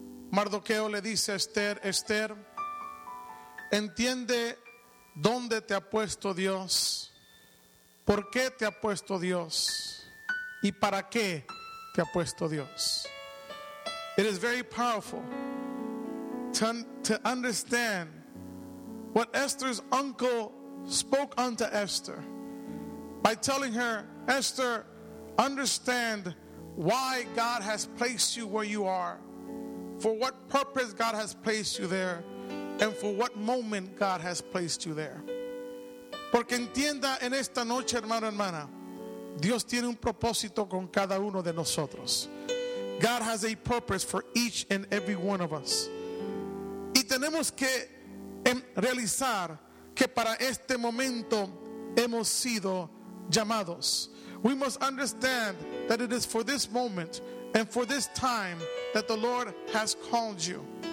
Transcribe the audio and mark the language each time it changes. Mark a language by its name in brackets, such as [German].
[Spanish] Mardoqueo le dice a Esther: Esther, entiende dónde te ha puesto Dios, por qué te ha puesto Dios y para qué te ha puesto Dios. [English] It is very powerful to understand what Esther's uncle spoke unto Esther by telling her, Esther, understand why God has placed you where you are, for what purpose God has placed you there, and for what moment God has placed you there. [Spanish] Porque entienda en esta noche, hermano, hermana, Dios tiene un propósito con cada uno de nosotros. [English] God has a purpose for each and every one of us. [Spanish] Y tenemos que realizar que para este momento hemos sido llamados. [English] We must understand that it is for this moment and for this time that the Lord has called you.